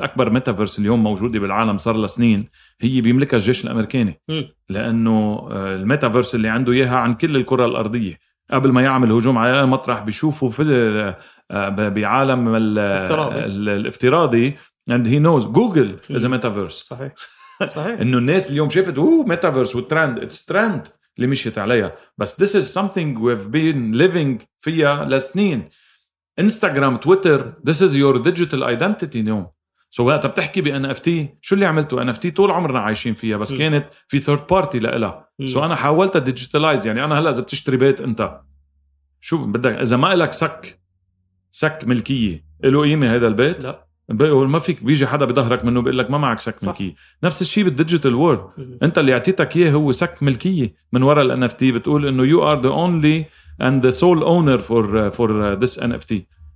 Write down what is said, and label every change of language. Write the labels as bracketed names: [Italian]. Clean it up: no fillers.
[Arabic] أكبر ميتافيرس اليوم موجودة بالعالم صار لسنين هي بيملكها الجيش الأمريكاني، لأنه الميتافيرس اللي عنده إياها عن كل الكرة الأرضية قبل ما يعمل هجوم على مطرح بيشوفه في بعالم الافتراضي [English] and he knows Google is a metaverse. [Arabic] صحيح. إنه الناس اليوم شافت ميتافيرس وترند، [English] it's trend [Arabic] اللي مشيت عليها، بس [English] this is something we've been living [Arabic] فيها لسنين. [English] Instagram, Twitter, this is your digital identity now. [Arabic] سو وقت بتحكي بNFT شو اللي عملته؟ NFT طول عمرنا عايشين فيها بس كانت في third party لإلها. سو أنا حاولت digitalize، يعني أنا هلأ إذا بتشتري بيت أنت شو بدك؟ إذا ما إلك سك ملكية إلو قيمة هذا البيت؟ لا، بيقول ما فيك، بيجي حدا بظهرك منه بيقول لك ما معك سك ملكية. نفس الشيء بالديجيتال وورد، انت اللي اعطيتك اياه هو سك ملكية من وراء الـ NFT، بتقول انه [English] you are the only and the sole owner for this NFT.